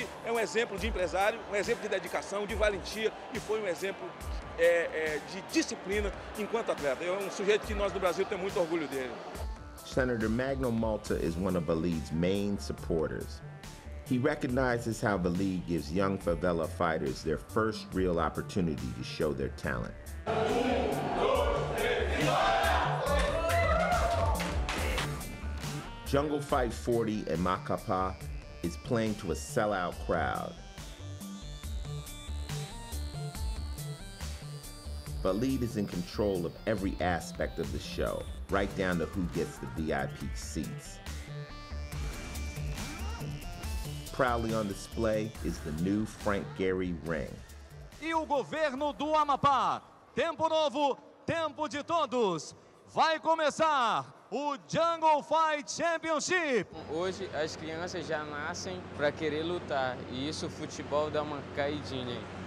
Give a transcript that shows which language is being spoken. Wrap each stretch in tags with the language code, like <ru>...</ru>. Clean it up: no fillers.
<pt>Um exemplo de empresário, um exemplo de dedicação, de valentia e foi um exemplo de disciplina enquanto atleta. É um sujeito que nós do Brasil temos muito orgulho dele.</pt> <en>Senator Magno Malta is one of Valide's main supporters. He recognizes how Valide gives young favela fighters their first real opportunity to show their talent. Jungle Fight 40 in Macapá is playing to a sellout crowd. Valide is in control of every aspect of the show, right down to who gets the VIP seats. Proudly on display is the new Frank Gehry ring.</en> <pt>E o governo do Amapá, tempo novo, tempo de todos, vai começar. O Jungle Fight Championship! Hoje as crianças já nascem pra querer lutar. E isso o futebol dá uma caidinha aí.</pt>